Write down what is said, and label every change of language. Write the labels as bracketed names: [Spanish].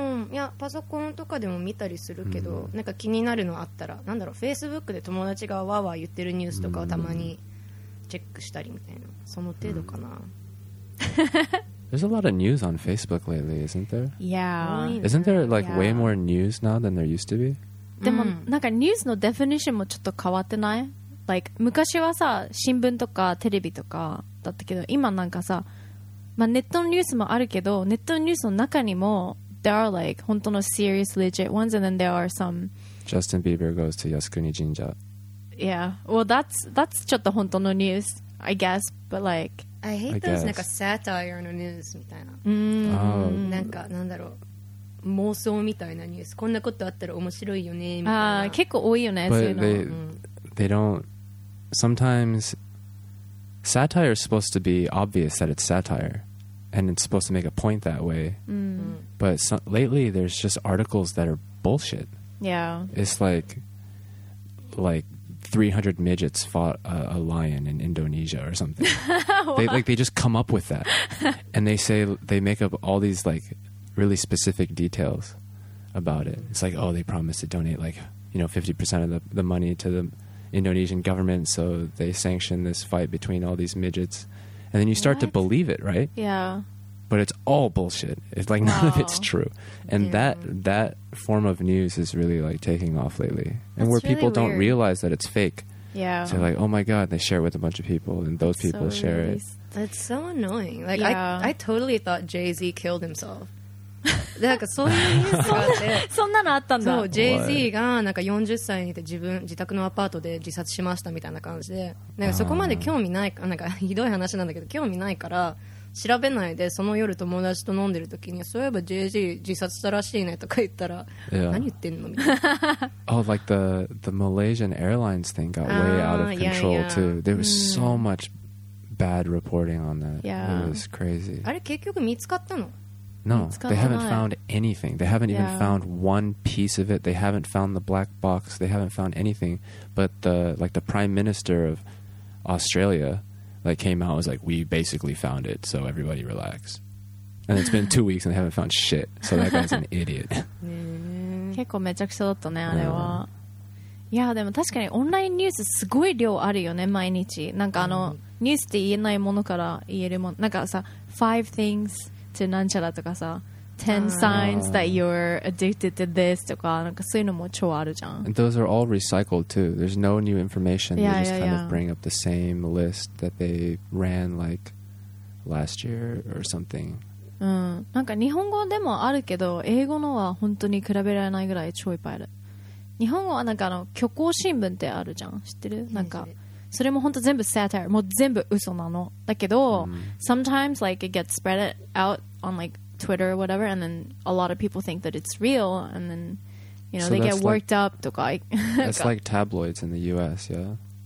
[Japanese] いやパソコンとかでも見たりするけど、うん、なんか気になるのあったらなんだろう、フェイスブックで友達がわーわー言ってるニュースとかをたまにチェックしたりみたいな、その程度かな、うん、 [English] There's a lot of news on Facebook lately, isn't there? Yeah. Isn't there like way more news now than there used to be? [Japanese] でもなんかニュースのデフィニッションもちょっと変わってない？ Like 昔はさ新聞とかテレビとかだったけど、今なんかさ、まあ、ネットのニュースもあるけど、ネットのニュースの中にも [English] There are like [Japanese] 本当の [English] serious legit ones and then there are some Justin Bieber goes to Yasukuni Jinja. Yeah, well that's [Japanese] ちょっと本当のニュース [English] I guess, but like I hate those, [Japanese] なんかサタイアのニュースみたいな、なんかなんだろう、妄想みたいなニュース、こんなことあったら面白いよねみたいな、結構多いよね、 [English] But [Japanese] そういうの [English] they don't sometimes satire is supposed to be obvious that it's satire and it's supposed to make a point that way、but lately there's just articles that are bullshit. Yeah, it's like 300 midgets fought a lion in Indonesia or something. they just come up with that. And they say, they make up all these like really specific details about it. It's like, oh, they promised to donate like, you know, 50% of the money to the Indonesian government. So they sanction this fight between all these midgets. And then you start to believe it, right? Yeah. But it's all bullshit. It's like none of it's true. And that form of news is really like taking off lately. And where people don't realize that it's fake. Yeah. So they're like, oh my God, they share it with a bunch of people and those people share it. That's so annoying. Like, I totally thought Jay-Z killed himself. [Japanese] なんかそういうニュースがあってそんなのあったんだ。そう、 JZ がなんか40歳にて自分自宅のアパートで自殺しましたみたいな感じで、なんかそこまで興味ないか、なんかひどい話なんだけど興味ないから調べないで、その夜友達と飲んでる時にそういえば JZ 自殺したらしいねとか言ったら、何言ってんのみたいな。 [English] Oh, like the Malaysian Airlines thing got way out of control too. There was so much bad reporting on that. Yeah. It was crazy. [Japanese] あれ結局見つかったの？ [English] No, they haven't found anything. They haven't even found one piece of it. They haven't found the black box. They haven't found anything. But the Prime Minister of Australia like came out and was like, we basically found it, so everybody relax. And it's been 2 weeks and they haven't found shit. So that guy's an idiot. [Japanese] 結構めちゃくちゃだったね、あれは。いや、でも確かにオンラインニュースすごい量あるよね、毎日。なんかニュースって言えないものから言えるもの。なんかさ、 [English] five things... [Japanese] to なんちゃらとかさ [English] 10 signs that you're addicted to this [Japanese] とか、 なんかそういうのも超あるじゃん。 [English] And those are all recycled too. There's no new information. Yeah, they just kind of bring up the same list that they ran like last year or something. [Japanese] なんか日本語でもあるけど、英語のは本当に比べられないぐらい超いっぱいある。日本語はなんか虚構新聞ってあるじゃん、知ってる？なんかそれも本当全部 [English] satire、 [Japanese] もう全部嘘なのだけど、 [English] sometimes like it gets spread out on like Twitter or whatever and then a lot of people think that it's real and then you know、 so、 they get worked up [Japanese] とか [English] it's like tabloids in the US yeah